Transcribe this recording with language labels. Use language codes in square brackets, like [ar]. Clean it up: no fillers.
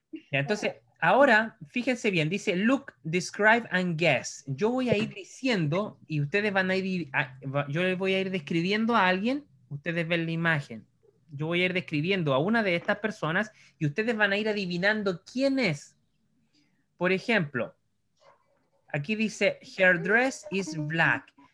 [es] Entonces, ahora, fíjense bien. [en] Dice, look, describe and guess. [es] Yo voy a ir diciendo y ustedes van a ir, yo les voy a ir describiendo a alguien. Ustedes ven la imagen. Yo voy a ir describiendo a una de estas personas y ustedes van a ir adivinando quién es. Por ejemplo, aquí dice, [en] her dress is black.